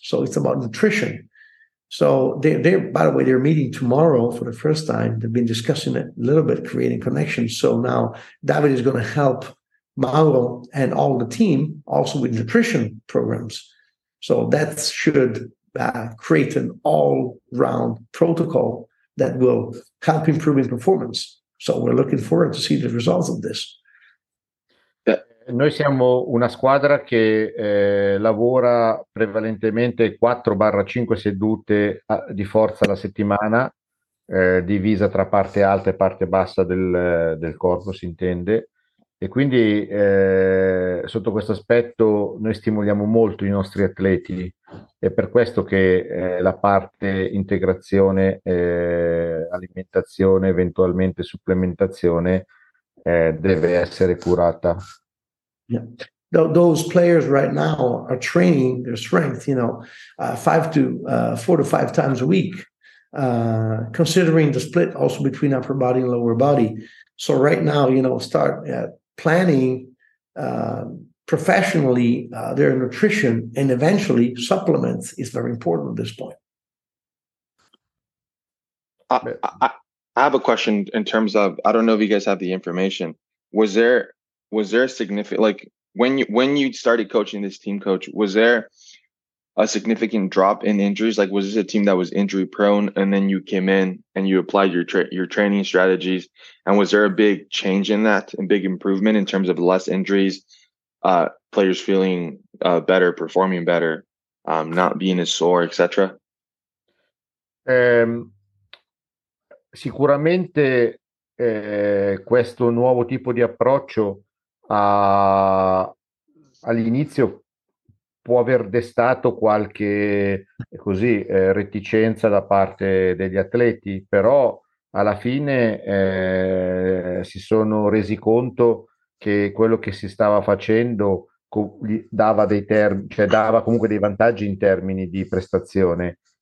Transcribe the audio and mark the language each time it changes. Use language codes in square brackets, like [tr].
[en] So it's about nutrition. So they're by the way, they're meeting tomorrow for the first time. They've been discussing it a little bit, creating connections. So now Davide is going to help Mauro and all the team also with nutrition programs. So that should create an all-round protocol that will help improving performance. So we're looking forward to see the results of this. [it] Noi siamo una squadra che lavora prevalentemente 4-5 sedute di forza alla settimana, divisa tra parte alta e parte bassa del corpo, si intende. E quindi sotto questo aspetto noi stimoliamo molto i nostri atleti. È per questo che la parte integrazione, alimentazione, eventualmente supplementazione deve essere curata. [en] Yeah. Those players right now are training their strength, you know, 4 to 5 times a week, considering the split also between upper body and lower body. So right now, you know, start planning professionally their nutrition and eventually supplements is very important at this point. I have a question in terms of, I don't know if you guys have the information. Was there a significant, like when you started coaching this team, coach, was there a significant drop in injuries? Like, was this a team that was injury prone and then you came in and you applied your training strategies? And was there a big change in that and big improvement in terms of less injuries, players feeling better, performing better, not being as sore, etc.? [it] Sicuramente questo nuovo tipo di approccio all'inizio può aver destato qualche così reticenza da parte degli atleti, però alla fine si sono resi conto che quello che si stava facendo dava dei termini, cioè dava comunque dei vantaggi in termini di prestazione.